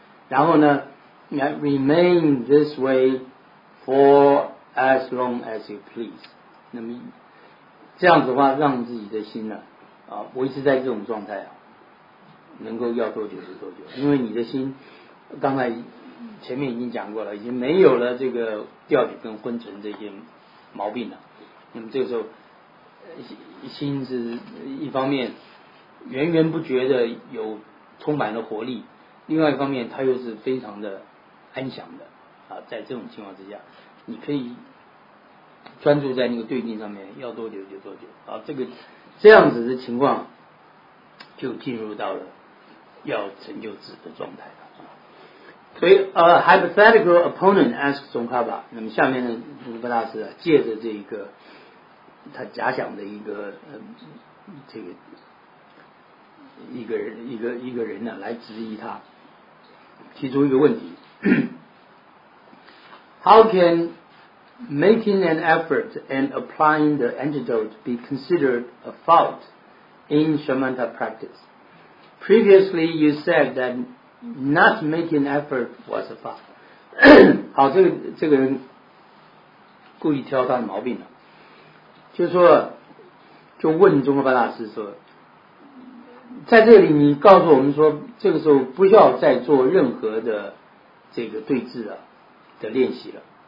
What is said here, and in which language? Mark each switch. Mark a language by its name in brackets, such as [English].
[Chinese] 然后呢 [English] remain this way for as long as you please. [Chinese] 那么这样子的话让自己的心呢维持在这种状态啊，能够要多久是多久。因为你的心刚才前面已经讲过了，已经没有了这个调举跟昏沉这些毛病了。那么这个时候心是一方面源源不绝的有充满了活力，另外一方面它又是非常的安详的啊，在这种情况之下你可以专注在那个对境上面，要多久就多久啊，这样子的情况就进入到了要成就智的状态了啊。所以 [English] hypothetical opponent asks 宗喀巴， [Chinese] 那么下面的卢巴大师啊，借着这一个他假想的一个这个一个人呢，来质疑他，提出一个问题 [English] ：How can making an effort and applying the antidote be considered a fault in shamatha practice? Previously, you said that not making effort was a fault. [Chinese] 好，这个人故意挑他的毛病了，就说就问中国巴大师说，在这里你告诉我们说，这个时候不需要再做任何的这个对峙啊的练习了。